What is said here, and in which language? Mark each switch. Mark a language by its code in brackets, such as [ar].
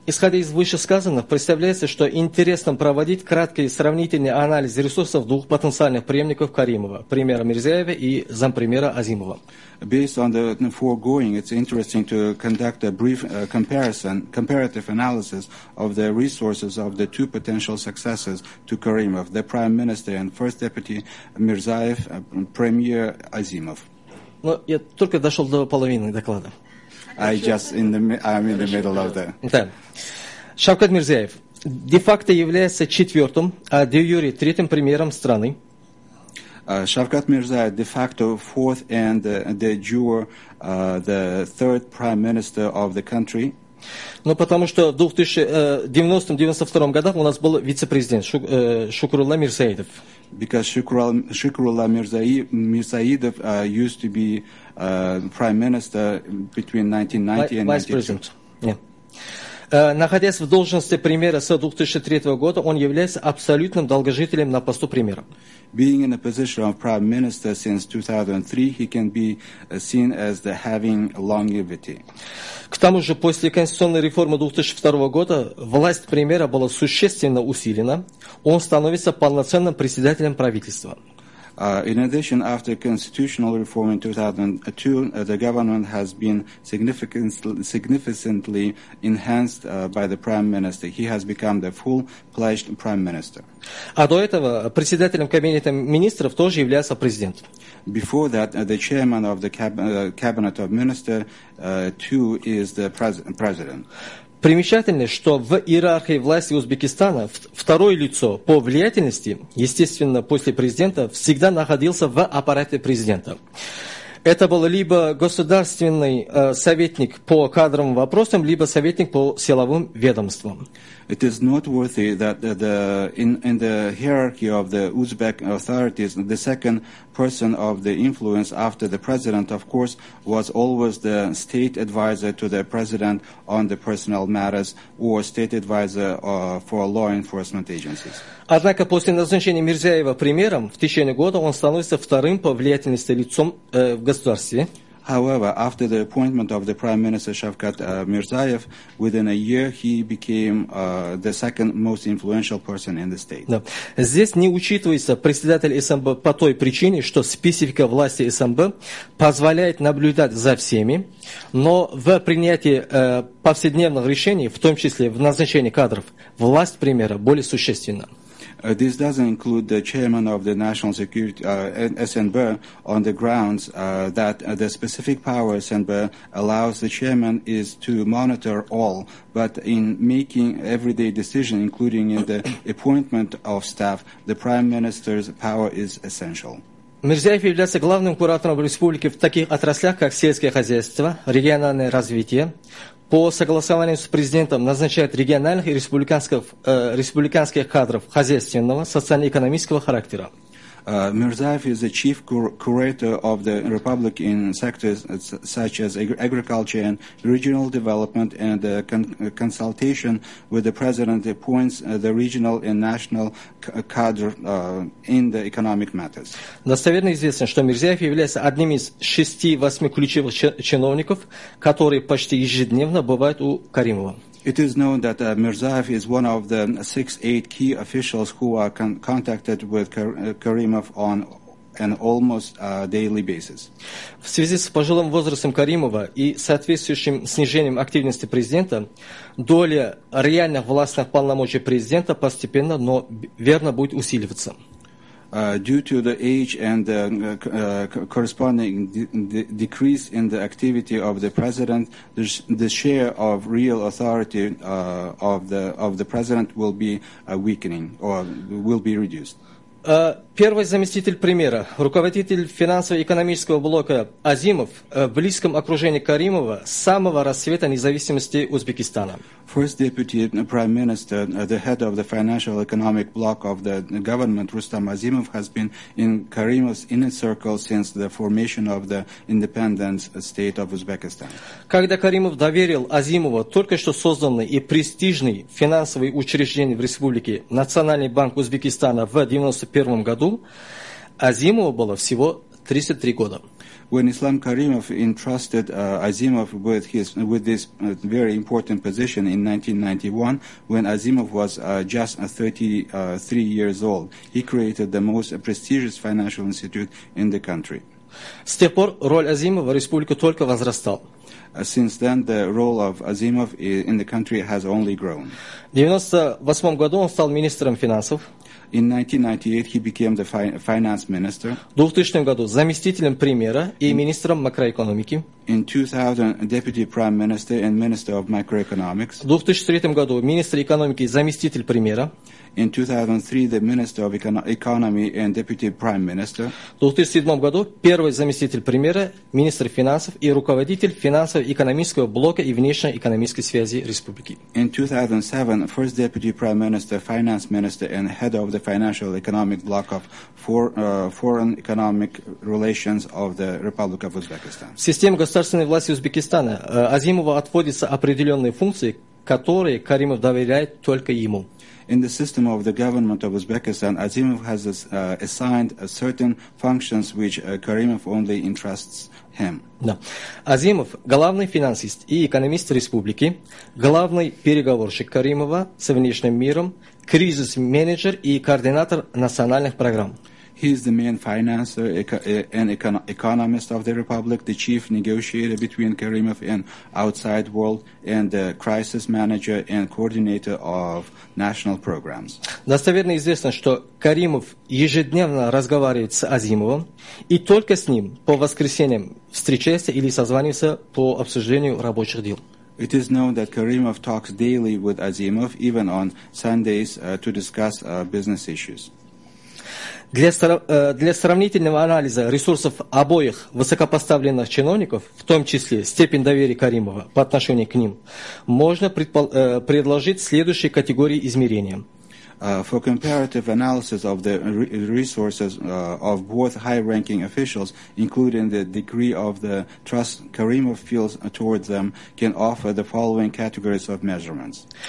[ru] Исходя из вышесказанного, представляется, что интересно проводить краткий сравнительный анализ ресурсов двух потенциальных преемников Каримова, премьера Мирзиёева и зампремьера Азимова. [en] Based on the foregoing, it's interesting to conduct a brief comparative analysis of the resources of the two potential successors to Karimov, the Prime Minister and First Deputy Mirzaev, Premier Azimov. [ru] Но я только дошел до половины доклада. [en] I'm in the middle of the... [ru] Да. Шавкат Мирзиев, де-факто является четвертым, а де-юре третьим премьером страны. [en] Шавкат Мирзиев, де-факто fourth and де-юре the third prime minister of the country. [ru] Ну, потому что в 1990-92 годах у нас был вице-президент Шукрулла Мирзаидов. [en] Because Шукрулла Мирзаидов used to be prime minister between 1990 and 1992. Yeah. [ru] Находясь в должности премьера с 2003 года, он является абсолютным долгожителем на посту премьера. [en] Being in the position of prime minister since 2003, he can be seen as the having longevity. [ru] К тому же, после конституционной реформы 2002 года власть премьера была существенно усилена. Он становится полноценным председателем правительства. [en] In addition, after constitutional reform in 2002, the government has been significantly enhanced by the prime minister. He has become the full-fledged prime minister. [ru] А до этого председателем кабинета министров тоже являлся президент. [en] Before that, the chairman of the cabinet of ministers too is the president. [ru] Примечательно, что в иерархии власти Узбекистана второе лицо по влиятельности, естественно, после президента, всегда находился в аппарате президента. Это был либо государственный советник по кадровым вопросам, либо советник по силовым ведомствам. [en] It is noteworthy that in the hierarchy of the Uzbek authorities, the second person of the influence after the president, of course, was always the state advisor to the president on the personnel matters or state advisor for law enforcement agencies. [ru] Однако после назначения Мирзиёева премьером в течение года он становится вторым по влиятельности лицом в государстве. [en] However, after the appointment of the Prime Minister Shavkat Mirziyoyev, within a year he became the second most influential person in the state. [ru] Да. Здесь не учитывается председатель СМБ по той причине, что специфика власти СМБ позволяет наблюдать за всеми, но в принятии повседневных решений, в том числе в назначении кадров, власть премьера более существенна. [en] This doesn't include the chairman of the National Security SNB on the grounds that the specific power SNB allows the chairman is to monitor all, but in making everyday decisions, including in the appointment of staff, the prime minister's power is essential. [ru] Мирзиёев является главным куратором в республике в таких отраслях, как сельское хозяйство, региональное развитие. По согласованию с президентом назначает региональных и республиканских кадров хозяйственного, социально-экономического характера. [en] Мирзиёев is the chief curator of the republic in sectors such as agriculture and regional development, and consultation with the president appoints the regional and national cadre in the economic matters. [ru] Достоверно известно, что Мирзиёев является одним из 6-8 ключевых чиновников, которые почти ежедневно бывают у Каримова. [en] It is known that Mirzaev is one of the 6-8 key officials who are contacted with Karimov on an almost daily basis. [ru] В связи с пожилым возрастом Каримова и соответствующим снижением активности президента, доля реальных властных полномочий президента постепенно, но верно будет усиливаться. [en] Due to the age and the corresponding decrease in the activity of the president, the share of real authority of the president will be weakening or will be reduced. [ru] Первый заместитель премьера, руководитель финансово-экономического блока Азимов, в близком окружении Каримова с самого расцвета независимости Узбекистана. [en] First deputy prime minister, the head of the financial economic block of the government, Рустам Азимов, has been in Каримов's inner circle since the formation of the independent state of Uzbekistan. [ru] Когда Каримов доверил Азимову только что созданный и престижный финансовый учреждение в республике Национальный банк Узбекистана в 1991 году, Азимову было всего 33 года. [en] When Islam Karimov entrusted Azimov with this very important position in 1991, when Azimov was just 33 years old, he created the most prestigious financial institute in the country. [ru] С тех пор роль Азимова в республике только возрастал. [en] Since then, the role of Azimov in the country has only grown. [ru] В 1998 году он стал министром финансов. [en] In 1998 he became the finance minister. [ru] В 2000 году заместителем премьера и министром макроэкономики. [en] In 2000 deputy prime minister and minister of macroeconomics. [ru] В 2003 году министр экономики и заместитель премьера. [en] In 2003 the minister of economy and deputy prime minister. [ru] В 2007 году первый заместитель премьера, министр финансов и руководитель финансово-экономического блока и внешнеэкономической связи республики. [en] In 2007 first deputy prime minister, finance minister and head of the financial economic block of foreign economic relations of the Republic of Uzbekistan. [ru] В системе государственной власти Узбекистана Азимову отводятся определенные функции, которые Каримов доверяет только ему. [en] In the system of the government of Uzbekistan, Azimov has assigned certain functions which Karimov only entrusts him. [ru] Да. Азимов – главный финансист и экономист республики, главный переговорщик Каримова с внешним миром, кризис-менеджер и координатор национальных программ. [en] He is the main financier and economist of the republic, the chief negotiator between Karimov and outside world, and the crisis manager and coordinator of national programs. [ru] Достоверно известно, что Каримов ежедневно разговаривает с Азимовым и только с ним по воскресеньям встречается или созванивается по обсуждению рабочих дел. [en] It is known that Karimov talks daily with Azimov, even on Sundays, to discuss business issues. [ru] Для сравнительного анализа ресурсов обоих высокопоставленных чиновников, в том числе степень доверия Каримова по отношению к ним, можно предложить следующие категории измерения. [en] For comparative analysis of the resources of both high-ranking officials, including the degree of the trust Karimov feels towards them, can offer the following categories of measurements.